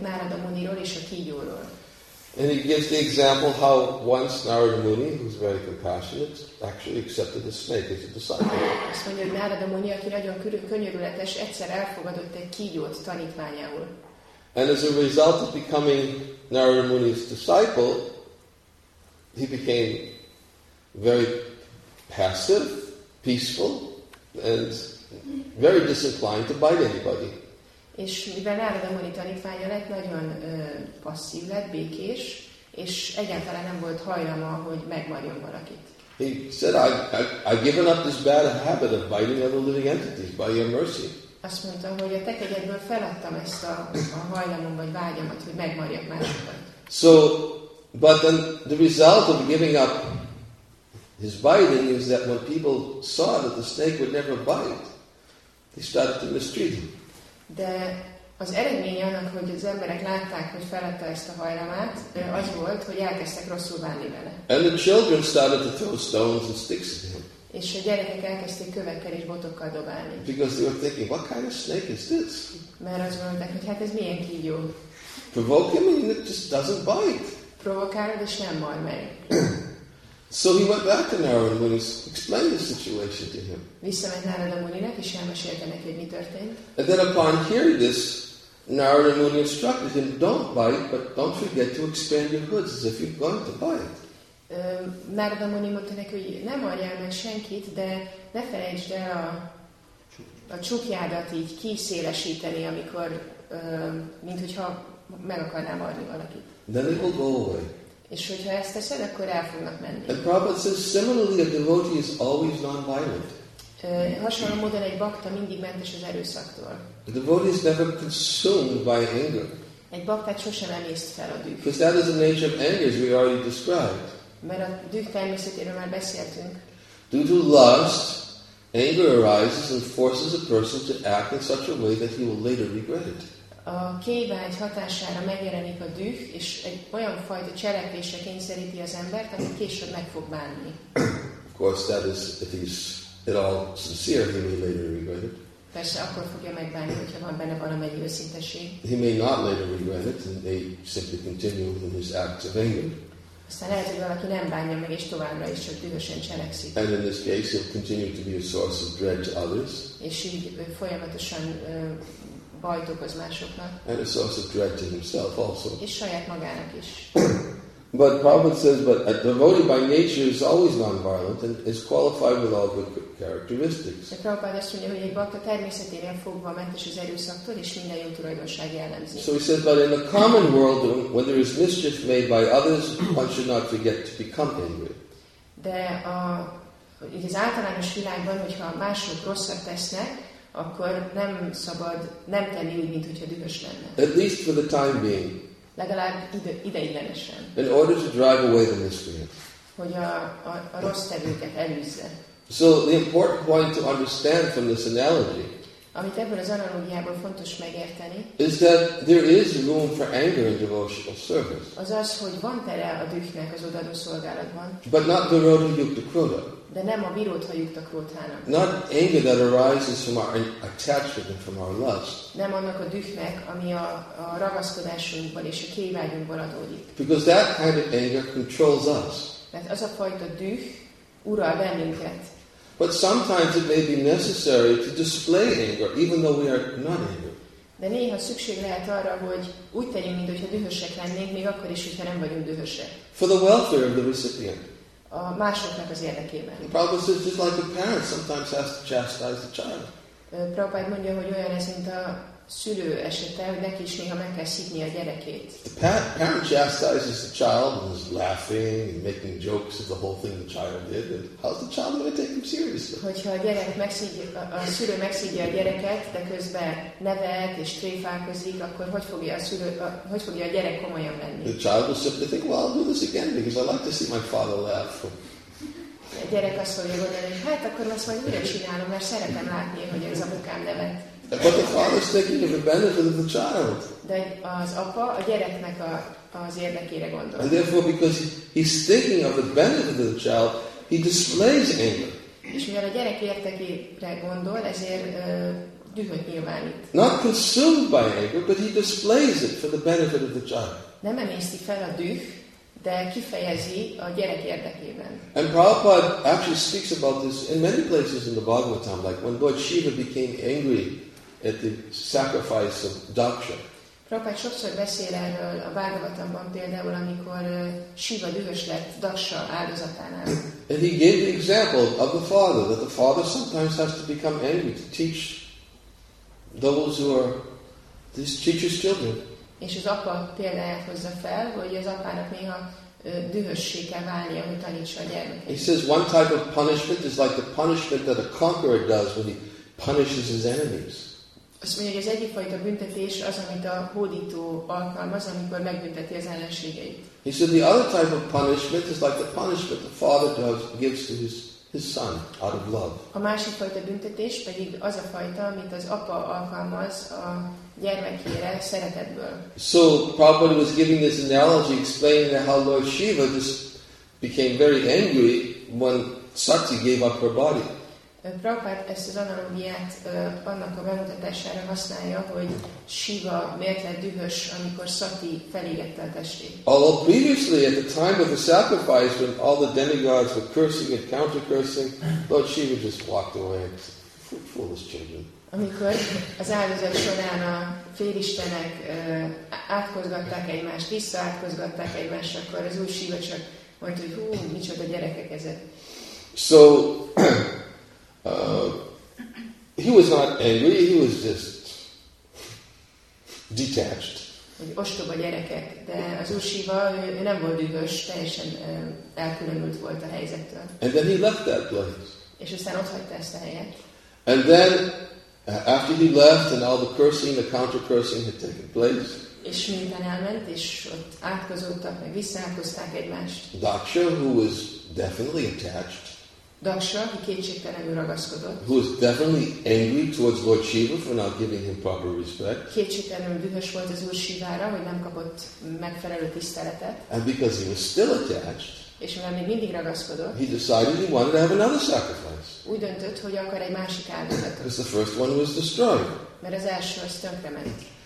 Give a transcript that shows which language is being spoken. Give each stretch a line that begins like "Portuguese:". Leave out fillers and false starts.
English: And he gives the example how once Narada Muni, who's very compassionate, actually accepted the snake as a disciple.
Hungarian: Azt mondja, hogy Narada Muni, aki nagyon könyörületes, egyszer elfogadott egy kígyót tanítványául.
English: And as a result of becoming Narada Muni's disciple, he became very passive, peaceful, and very disinclined to bite anybody.
Hungarian: És mivel Narada Muni tanítványa lett, nagyon passzív lett, békés, és egyáltalán nem volt hajlama, hogy megmarjon valakit.
English: He said, I've given up this bad habit of biting other living entities by your mercy.
Hungarian: Azt mondta, hogy a te kegyedből feladtam ezt a hajlamom, vagy vágyamat, hogy megmarjak másokat.
English: So, but then the result of giving up his biting is that when people saw that the snake would never bite, they started to mistreat him.
Hungarian: De az eredménye annak, hogy az emberek látták, hogy feladta ezt a hajlamát, az volt, hogy elkezdtek rosszul bánni vele.
English: And the children started to throw stones and sticks at him.
Hungarian: És a gyerekek elkezdték kövekkel és botokkal dobálni.
English: Because they were thinking, what kind of snake is this?
Hungarian: Mert azt mondták, hogy hát ez milyen kígyó.
English: Provoke him and it just doesn't bite.
Hungarian: Provokálod és nem marj meg.
English: So he went back to Narada Muni and explained the situation to him.
Hungarian: Visszament Narada Muninek és elmesélte neki, hogy mi történt.
English: And then upon hearing this, Narada Muni instructed him, don't bite, but don't forget to expand your hoods as if you're going to bite.
Hungarian: Narada Muni mondta neki, hogy ne marjál meg senkit, de ne felejtsd el a csukjádat így kiszélesíteni, amikor, mint hogyha meg akarnál marni valakit.
English: Then it will go away.
Hungarian: És hogyha ezt teszed, akkor el fognak menni.
English: And Prabhupada says, similarly, a devotee is always non-violent.
Hungarian: Hasonló módon egy bakta mindig mentes az erőszaktól.
English: A devotee is never consumed by anger.
Hungarian: Egy baktát sosem emészt fel a düh.
English: Because that is the nature of anger, as we already described.
Hungarian: Mert a düh természetéről már beszéltünk.
English: Due to lust, anger arises and forces a person to act in such a way that he will later regret it.
Hungarian: A kévágy hatására megjelenik a düh, és egy olyan fajta cselekvésre kényszeríti az embert, amit később meg fog bánni.
English: Of course, that is, if he's at all sincere, he may later regret it.
Hungarian: Persze, akkor fogja megbánni, hogyha van benne valamennyi őszinteség.
English: He may not later regret it, and they simply continue with his acts of anger.
Hungarian: Aztán lehet, hogy valaki nem bánja meg, és továbbra is csak dühösen cselekszik.
English: And in this case, he'll continue to be a source of dread to others.
Hungarian: És így folyamatosan bajt okoz másoknak.
English: And a source of dread to himself also.
Hungarian: És saját magának is.
English: But Prabhupada says, but a devotee by nature is always non-violent and is qualified with all good characteristics.
Hungarian: De Prabhupada azt mondja, hogy egy bakta természetében fogva mentes az erőszaktól, és minden jó tulajdonság jellemzi.
English: So he says, but in the common world, when there is mischief made by others, one should not forget to become angry.
Hungarian: De az általános világban, hogyha mások rosszat tesznek, akkor nem szabad nem tenni úgy, mint hogyha dühös lenne.
English: At least for the time being.
Hungarian: Legalább ideiglenesen.
English: In order to drive away the miscreant.
Hungarian: Hogy a rossz tevőket elűzze.
English: So the important point to understand from this analogy.
Hungarian: Amit ebből az analógiából fontos megérteni.
English: Is that there is room for anger in devotional service.
Hungarian: Azaz, hogy van tere a dühnek az odaadó szolgálatban.
English: But not the road to Yukta Krodha.
Hungarian: De nem a virótha Yukta Krodhának.
English: Not anger that arises from our attachment and from our lust.
Hungarian: Nem annak a dühnek, ami a ragaszkodásunkból és a kévágyunkból adódik.
English: Because that kind of anger controls us.
Hungarian: Mert az a fajta düh ural bennünket.
English: But sometimes it may be necessary to display anger, even though we are not angry.
Hungarian: De néha szükség lehet arra, hogy úgy tegyünk, mint hogyha dühösek lennénk, még akkor is, hogyha nem vagyunk dühösek.
English: For the welfare of the recipient.
Hungarian: A másoknak az érdekében.
English: Prabhupada says, just like a parent sometimes has to chastise the child.
Hungarian: Prabhupada mondja, hogy olyan ez, mint a szülő esete, hogy neki is néha meg kell szidni a gyerekét.
English: The parent chastises the child and is laughing and making jokes of the whole thing the child did. And how's the child going to take him seriously?
Hungarian: Hogyha a gyerek megszidja a gyereket, de közben nevet és tréfálkozik, akkor hogy fogja a gyerek komolyan venni?
English: The child will simply think, well, I'll do this again because I like to see my father laugh.
Hungarian: A gyerek azt fogja gondolni, hát akkor azt majd újra csinálom, mert szeretem látni, hogy ez apukám nevet.
English: But the father is thinking of the benefit of the child.
Hungarian: De az apa a gyereknek az érdekére gondol.
English: And therefore, because he's thinking of the benefit of the child, he displays anger.
Hungarian: És mivel a gyerek érdekére gondol, ezért dühöt nyilvánít.
English: Not consumed by anger, but he displays it for the benefit of the child.
Hungarian: Nem emészti fel a düh, de kifejezi a gyerek érdekében.
English: And Prabhupada actually speaks about this in many places in the Bhagavatam, like when Lord Shiva became angry at the sacrifice of Daksha.
Hungarian: Prabhupada sokszor beszél erről a Bhagavatamban, például amikor Shiva dühös lett Daksha áldozatánál.
English: And he gave the example of the father, that the father sometimes has to become angry to teach those who are his teacher's children.
Hungarian: És az apa példáját hozza fel, hogy az apának néha dühössége válnia, hogy tanítsa a gyermeket.
English: He says one type of punishment is like the punishment that a conqueror does when he punishes his enemies.
Hungarian: Azt mondja, hogy az egyik fajta büntetés az, amit a hódító alkalmaz, amikor megbünteti az ellenségeit.
English: He said the other type of punishment is like the punishment the father does gives to his son out of love.
Hungarian: A másik fajta büntetés pedig az a fajta, amit az apa alkalmaz a gyermekére szeretetből.
English: So Prabhupada was giving this analogy explaining how Lord Shiva just became very angry when Sati gave up her body.
Hungarian: Prabhupada ezt az analógiát annak a bemutatására használja, hogy Shiva miért lett dühös, amikor Sati felégette a testét.
English: Although previously at the time of the sacrifice when all the demigods were cursing and counter-cursing, Lord Shiva just walked away. Foolish children.
Hungarian: Amikor az áldozat során a félistenek átkozgatták egymást, visszaátkozgatták egymást, akkor az új Shiva csak mondta, hogy hú, micsoda gyerekek ezek.
English: So, he was not angry, he was just detached.
Hungarian: Egy ostoba gyerekek, de az új Shiva, ő nem volt dühös, teljesen elkülönült volt a helyzettől.
English: And then he left that place.
Hungarian: És aztán ott hagyta ezt a helyet.
English: And then, after he left and all the cursing, the counter-cursing had taken place.
Hungarian: És minden elment, és ott átkozódtak, meg visszaátkozták egymást.
English: Daksha, who was definitely attached.
Hungarian: Daksha, aki kétségtelenül ragaszkodott.
English: Who was definitely angry towards Lord Shiva for not giving him proper respect.
Hungarian: Kétségtelenül dühös volt az Úr Shivára, hogy nem kapott megfelelő tiszteletet.
English: And because he was still attached.
Hungarian: És mivel még mindig ragaszkodott.
English: He decided he wanted to have another sacrifice.
Hungarian: Úgy döntött, hogy akar egy másik áldozatot.
English: Because the first one was destroyed.
Hungarian: Mert az első az tönkrement.